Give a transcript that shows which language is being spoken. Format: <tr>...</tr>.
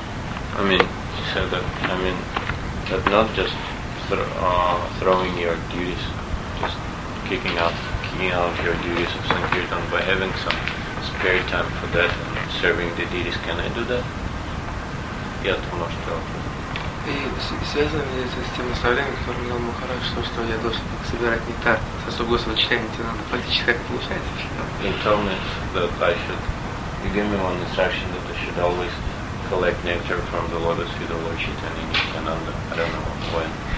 <en>That not just throwing your duties, just kicking out your duties of Sankirtan by having some spare time for that and serving the deities. Can I do that?</en> <ru>Я думаю, что... И связано ли это с тем наставлением, которое мне дал Махарадж, что я должен собирать нектар с особого сочетания, тебе надо практически как получать?</ru> <en>He told me that I should... He gave me one instruction that I should always collect nectar from the lotus feet of Lord Chaitanya Nityananda. I don't know when.</en>